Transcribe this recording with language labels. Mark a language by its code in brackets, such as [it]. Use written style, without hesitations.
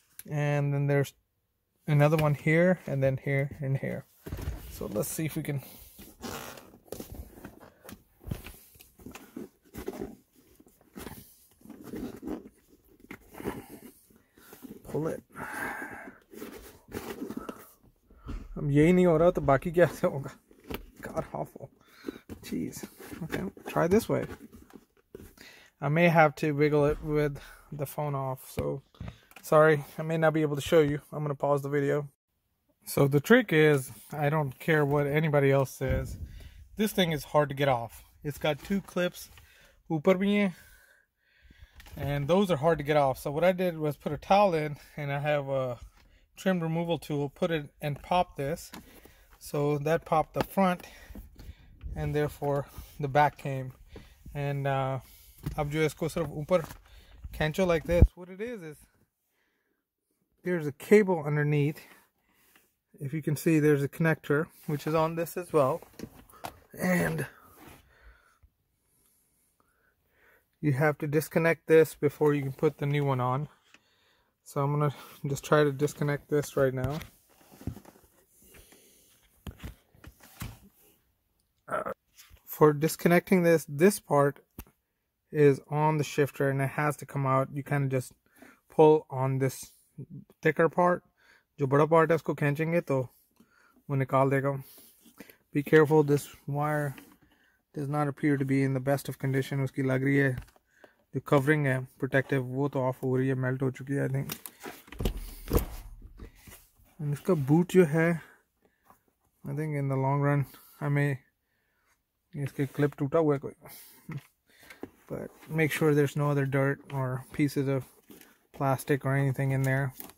[en] And then there's another one here, and then here, and here. So let's see if we can... pull it. [hi] यही नहीं हो रहा तो बाकी क्या से होगा. [en] God awful. Jeez. Okay, try this way. I may have to wiggle it with the phone off, so sorry, I may not be able to show you. I'm gonna pause the video. So the trick is, I don't care what anybody else says, this thing is hard to get off. It's got two clips [hi] ऊपर भी हैं, [en] and those are hard to get off. So what I did was put a towel in, and I have a trim removal tool, put it and pop this, so that popped the front and therefore the back came. [hi] And अब जो इसको सिर्फ ऊपर खेंचो [en] like this. What it is there's a cable underneath. If you can see, there's a connector which is on this as well, and you have to disconnect this before you can put the new one on. So I'm going to just try to disconnect this right now. For disconnecting this, this part is on the shifter and it has to come out. You kind of just pull on this thicker part. [hi] जो बड़ा part है उसको खेंचेंगे तो वो निकाल देगा. [en] Be careful, this wire does not appear to be in the best of condition. [hi] उसकी लग रही है. The covering है, protective, वो तो off हो रही है, melt हो चुकी है, [en] I think. And [hi] इसका boot जो है, [en] I think in the long run, I may, [hi] इसके clip टूटा हुआ है. [en] But make sure there's no other dirt or pieces of plastic or anything in there.